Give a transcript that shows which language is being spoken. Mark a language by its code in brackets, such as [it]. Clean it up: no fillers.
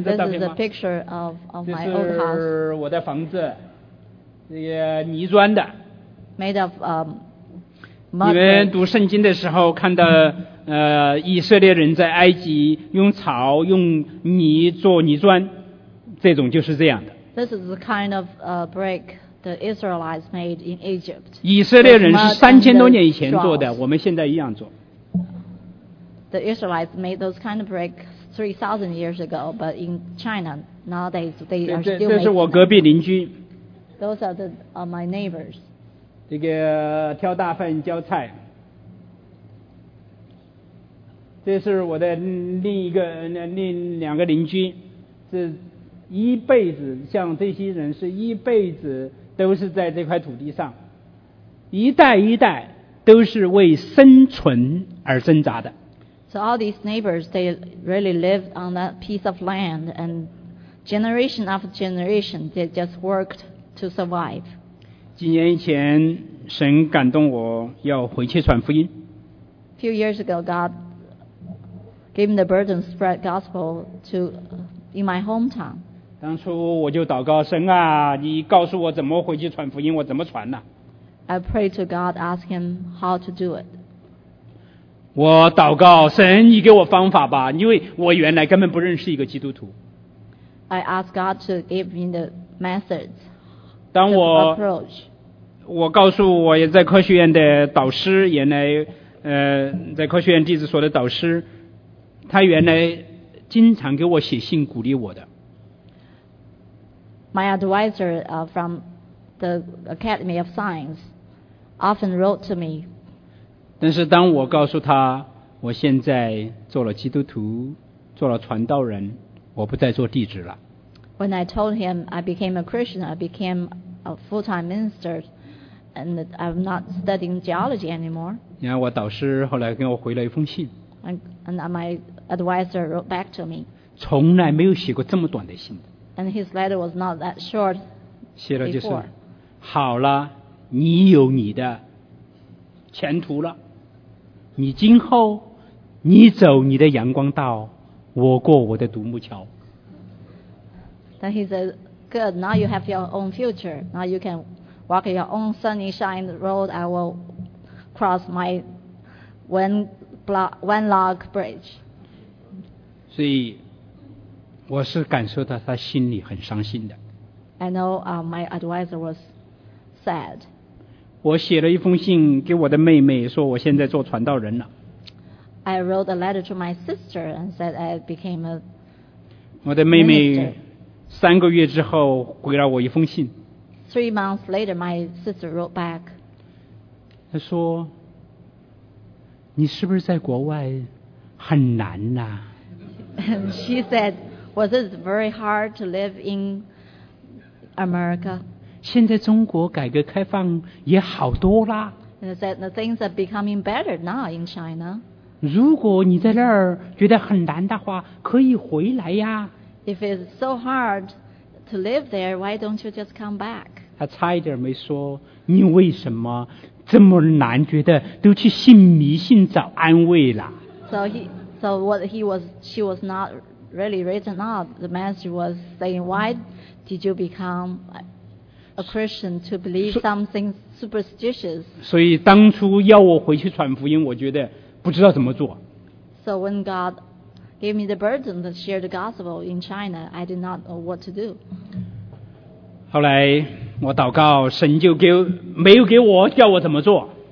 [en] This is a picture of my old house. [zh] 这是我的房子，这个泥砖的。 [en] Made of mud. [zh] 你们读圣经的时候看到，以色列人在埃及用草、用泥做泥砖，这种就是这样的。 [en] This is the kind of brick the Israelites made in Egypt. [zh] 以色列人是3000多年以前做的，我们现在一样做。 [en] The Israelites made those kind of brick 3,000 years ago, but in China nowadays they are still making. [zh] 这是我隔壁邻居。 [en] Those are my neighbors. [zh] 这个挑大粪浇菜。这是我的两个邻居，是一辈子，像这些人是一辈子都是在这块土地上，一代一代都是为生存而挣扎的。 [en] So all these neighbors, they really lived on that piece of land, and generation after generation, they just worked to survive. [zh] 几年以前，神感动我要回去传福音。 [en] A few years ago, God gave me the burden to spread gospel to in my hometown. [zh] 当初我就祷告神啊，你告诉我怎么回去传福音，我怎么传呢？ [en] I prayed to God, asked Him how to do it. [zh] 我祷告神，你给我方法吧，因为我原来根本不认识一个基督徒。 [en] I ask God to give me the methods. [zh] 当我 [en] approach, [zh] 我告诉我也在科学院的导师，原来在科学院地质所的导师，他原来经常给我写信鼓励我的。 [en] My advisor from the Academy of Science often wrote to me. [zh] 但是当我告诉他我现在做了基督徒，做了传道人，我不再做弟子了。 [en] When I told him I became a Christian, I became a full-time minister, and I'm not studying geology anymore. [zh] 然后我导师后来给我回了一封信。 [en] And my advisor wrote back to me. [zh] 从来没有写过这么短的信。 [en] And his letter was not that short before. [zh] 写了就是，好了，你有你的前途了，你今后你走你的阳光道，我过我的独木桥。 [en] Then he said, good, now you have your own future. Now you can walk your own sunny shine road. I will cross my one log bridge. [zh] 所以我是感受到他心里很伤心的。 [en] I know my advisor was sad. [zh] 我写了一封信给我的妹妹，说我现在做传道人了。 [en] I wrote a letter to my sister and said I became a. [zh] 我的妹妹三个月之后回了我一封信。 [en] Three months later, my sister wrote back. [zh] 她说：“你是不是在国外很难呐？” [en] She said, "Was it very hard to live in America?" [zh] 现在中国改革开放也好多啦。 [en] And said the things are becoming better now in China. [zh] 如果你在那儿觉得很难的话，可以回来呀。 [en] If it's so hard to live there, why don't you just come back? [zh] 他差一点没说，你为什么这么难，觉得都去信迷信找安慰了。 [en] She was not really written out. The message was saying, why did you become a Christian to believe something superstitious. [zh] 所以当初要我回去传福音，我觉得不知道怎么做。 [en] So when God gave me the burden to share the gospel in China, I did not know what to do. [zh] 后来我祷告，神就给没有给我叫我怎么做。